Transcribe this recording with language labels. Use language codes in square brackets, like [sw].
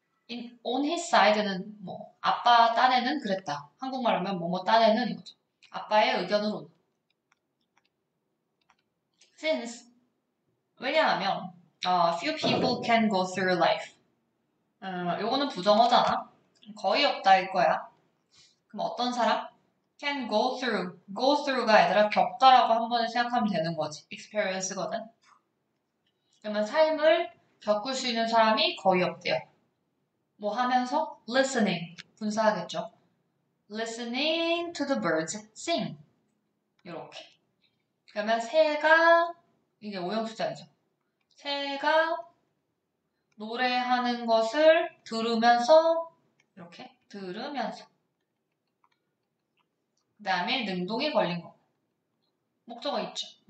[en] In, on his side [ko] 는 뭐 아빠 딴에는 그랬다. 한국말로 하면 뭐뭐 딴에는 이거죠. 아빠의 의견으로는. [en] Since [ko] 왜냐하면 [en] few people can go through life. [ko] 요거는 부정어잖아. 거의 없다일 거야. 그럼 어떤 사람? [en] Can go through. [ko] Go through가 얘들아 겪다라고 한 번에 생각하면 되는 거지. Experience거든. 그러면 삶을 겪을 수 있는 사람이 거의 없대요. 뭐 하면서? Listening. 분사하겠죠. [en] Listening to the birds sing. [ko] 이렇게. 그러면 새가 이게 오형수자이죠. 새가 노래하는 것을 들으면서 이렇게 들으면서 그다음에 능동이 걸린 거 목적어 있죠.